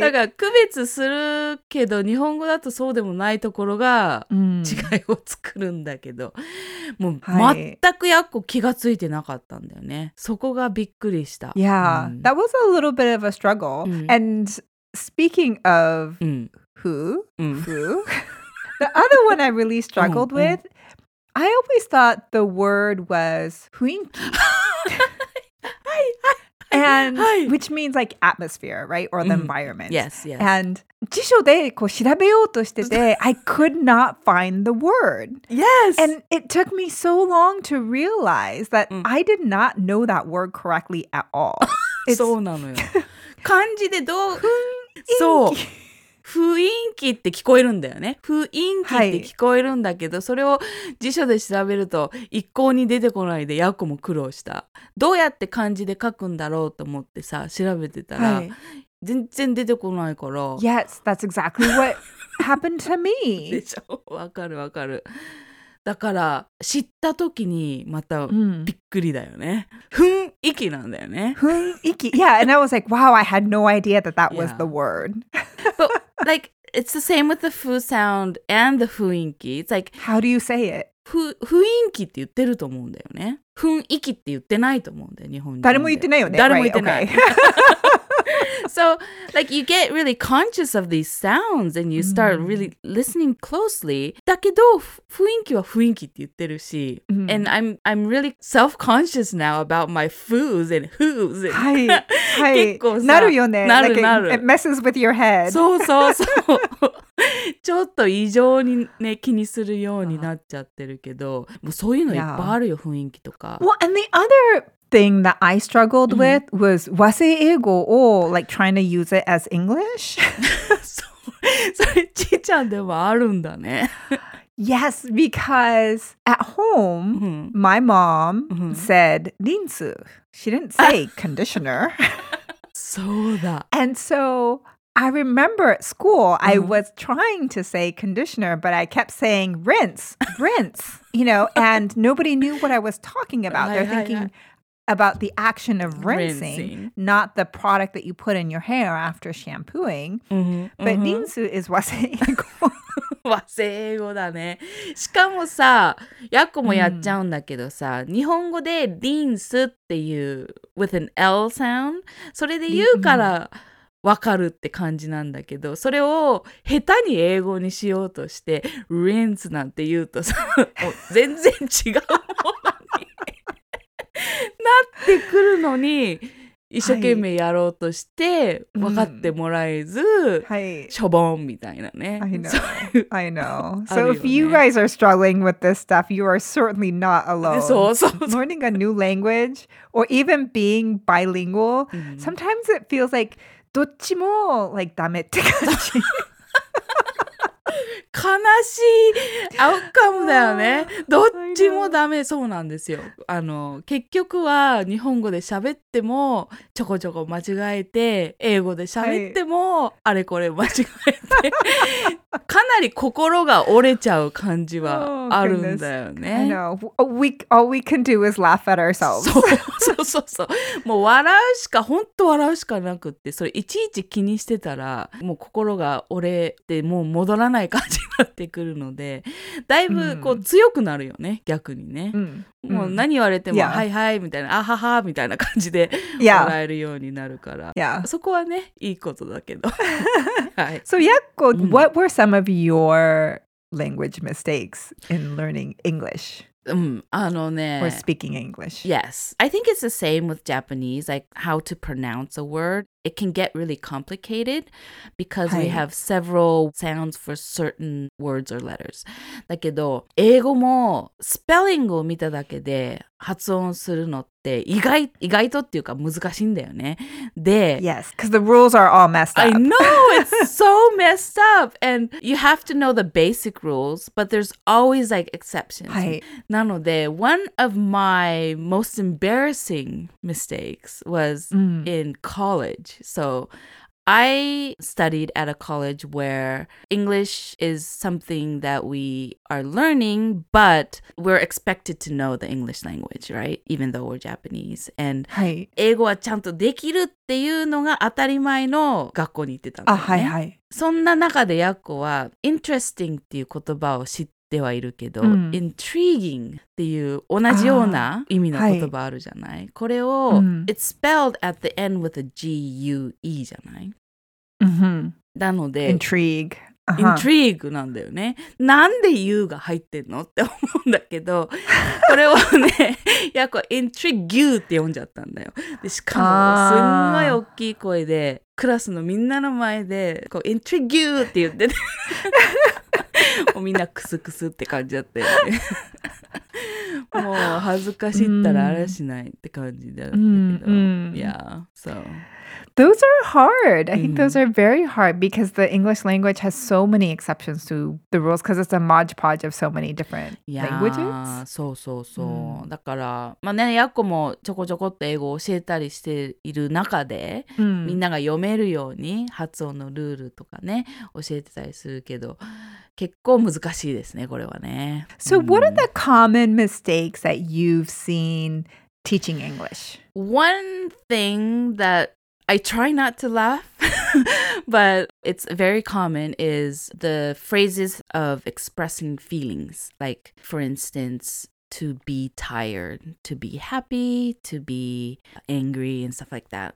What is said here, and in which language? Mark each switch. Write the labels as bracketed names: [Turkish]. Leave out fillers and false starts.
[Japanese] だから区別するけど、日本語だとそうでもないところが違いを作るんだけど、もう全くやっこ気がついてなかったんだよね。そこがびっくりした。 [English] Yeah, that was a little bit of a struggle. And speaking of who, the other one I really struggled with, I always thought the word was 雰囲気. And which means like atmosphere, right? Or the environment. Yes, yes. And [Japanese] 辞書でこう調べようとしてて [English] I could not find the word. Yes. And it took me so long to realize that I did not know that word correctly at all. [Japanese] そうなのよ。漢字でどう、雰囲気。そう。雰囲気って聞こえるんだよね。雰囲気って聞こえるんだけど、はい、それを辞書で調べると一向に出てこないで、ヤコも苦労した。どうやって漢字で書くんだろうと思ってさ、調べてたら、はい、全然出てこないから。 [English] Yes, that's exactly what happened to me. [Japanese] でしょ、わかるわかる。だから知った時にまたびっくりだよね、雰囲気なんだよね。 [English] 雰囲気、 Yeah, and I was like, wow, I had no idea that that was the word. But like, it's the same with the fu sound and the 雰囲気. It's like, how do you say it? [Japanese] 雰囲気って言ってると思うんだよね。雰囲気って言ってないと思うんだよ、日本人で。誰も言ってないよね。誰も言ってない。 [English] Right, okay. So, like, you get really conscious of these sounds and you start really listening closely. [Japanese] だけど、雰囲気は雰囲気って言ってるし。 [English] And I'm really self-conscious now about my foos and whos. [Japanese] はい、はい。結構さ、なるよね。なるなる。 [English] It messes with your head. [Japanese] そうそうそう。ちょっと異常にね、気にするようになっちゃってるけど、もうそういうのいっぱいあるよ、雰囲気とか。 [English] Well, and the other... thing that I struggled with was wase eigo or like trying to use it as English. [Japanese] So, それちーちゃんでもあるんだね。 [English] Yes, because at home, my mom said rinsu. She didn't say conditioner. [Japanese] そうだ。 [English] And so I remember at school, I was trying to say conditioner, but I kept saying rinse, rinse, you know, and nobody knew what I was talking about. They're thinking... about the action of rinsing, not the product that you put in your hair after shampooing. But ninsu is wase eigo. [Japanese] Wase eigo だね。しかもさ、ヤコもやっちゃうんだけどさ、日本語でリンスっていう [English] with an L sound、 [Japanese] それで言うからわかるって感じなんだけど、それを下手に英語にしようとして rinse なんて言うとさ、もう全然違うものになってくるのに、一生懸命やろうとして分かってもらえず、はい、しょぼんみたいなね。 [English] I know, I know. So if you guys are struggling with this stuff, you are certainly not alone. [Japanese] そうそうそう。 [English] Learning a new language or even being bilingual, sometimes it feels like [Japanese] どっちも [English] like [Japanese] ダメって感じ。悲しいアウトカムだよね。どっちもダメそうなんですよ。あの、結局は日本語で喋ってもちょこちょこ間違えて、英語で喋ってもあれこれ間違えて、はい、かなり心が折れちゃう感じはあるんだよね。 [English] Oh, I know. All we can do is laugh at ourselves. [Japanese] そうそうそうそう。もう笑うしか、本当笑うしかなくって、それいちいち気にしてたら、もう心が折れて、もう戻らない感じになってくるので、だいぶこう強くなるよね、逆にね。もう何言われても、はいはいみたいな、あははみたいな感じで笑えるようになるから。 [English] Yeah. [Japanese] そこはね、いいことだけど。はい。 [English] So, Yakko, what were some of your language mistakes in learning English? あのね。 Or speaking English? Yes. I think it's the same with Japanese, like how to pronounce a word. It can get really complicated because we have several sounds for certain words or letters. [Japanese] だけど、英語もスペリングを見ただけで発音するのって意外とっていうか難しいんだよね。で、 [English] Yes, because the rules are all messed up. I know, it's so messed up. And you have to know the basic rules, but there's always like exceptions. なので、one of my most embarrassing mistakes was in college. So, I studied at a college where English is something that we are learning, but we're expected to know the English language, right? Even though we're Japanese. [Japanese] And 英語はちゃんとできるっていうのが当たり前の学校に行ってたんだよね。あ、はいはい。そんな中でヤッコは interesting っていう言葉を知ってはいるけど、intriguing っていう同じような意味の言葉あるじゃない、はい、これを、 [English] it's spelled at the end with a G-U-E [Japanese] じゃない、なので [English] intrigue、 [Japanese] intrigue なんだよね。なんで U が入ってんのって思うんだけど、これをね、やっこ intrigue って読んじゃったんだよ。でしかもすんごい大きい声でクラスのみんなの前でこう intrigue って言ってみんなクスクスって感じだったよね。もう恥ずかしいったらあれしないって感じだけど、 [English] Yeah, so. Those are hard. I think those are very hard because the English language has so many exceptions to the rules because it's a modgepodge of so many different languages. Yeah, [Japanese] そうそうそう。だから、まあね、ヤッコもちょこちょこって英語を教えたりしている中で、みんなが読めるように発音のルールとかね、教えてたりするけど、結構難しいですね、これはね。 [English] So what are the common mistakes that you've seen teaching English? One thing that I try not to laugh, but it's very common is the phrases of expressing feelings. Like, for instance, to be tired, to be happy, to be angry, and stuff like that.